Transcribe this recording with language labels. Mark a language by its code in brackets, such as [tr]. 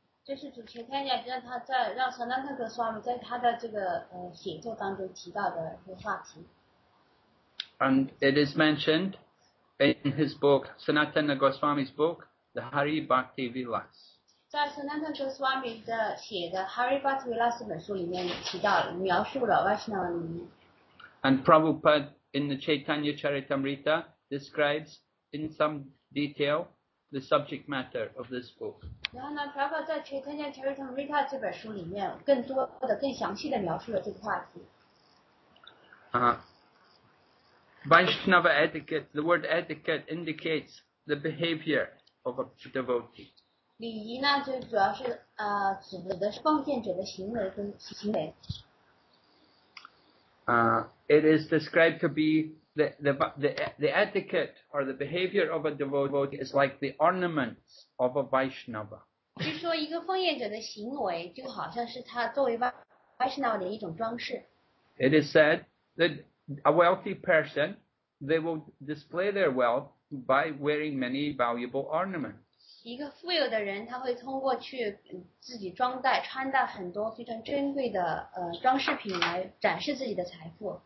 [zh] 这是主持人 Chaitanya 让 Sanatana Goswami 在他的这个写作当中提到的一个话题。 [en] And it is mentioned in his book, Sanatana Goswami's book, The Hari Bhakti Vilas. [zh] 在 Sanatana Goswami 的写的 Hari Bhakti Vilas 这本书里面提到了描述了 Vaishnava 礼仪。 [en] And Prabhupada in the Chaitanya Charitamrita describes in some detail the subject matter of this book. [zh] 然后呢 ，Prabhupada 在 Chaitanya Charitamrita 这本书里面更多的、更详细的描述了这个话题。 [en] Vaishnava etiquette. The word etiquette indicates the behavior of a devotee. [zh] 礼仪呢，就主要是指的是奉献者的行为跟行为。 [en] It is described to be the etiquette or the behavior of a devotee is like the ornaments of a Vaishnava. [zh] 就说一个奉献者的行为，就好像是他作为 Vaishnava 的一种装饰。 [en] It is said that a wealthy person they will display their wealth by wearing many valuable ornaments. [zh] 一个富有的人，他会通过去自己装戴、穿戴很多非常珍贵的装饰品来展示自己的财富。